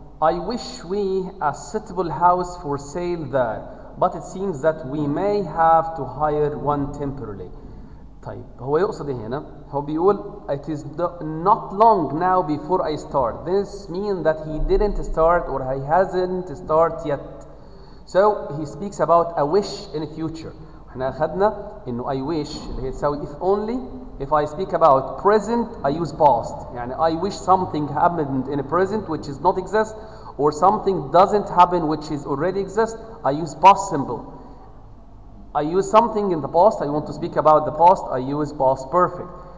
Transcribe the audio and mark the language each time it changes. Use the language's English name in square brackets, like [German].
[English] I wish we a suitable house for sale there, but it seems that we may have to hire one temporarily. [Arabic] طيب هو يقصد هنا هو بيقول [English] it is not long now before I start. This means that he didn't start or he hasn't start yet. So he speaks about a wish in the future. [Arabic] احنا اخذنا انه [English] I wish [Arabic] اللي هي تساوي [English] if only. If I speak about present I use past. يعني I wish something happened in the present which is not exist or something doesn't happen which is already exist. I use past symbol. I use something in the past, I want to speak about the past, I use past perfect.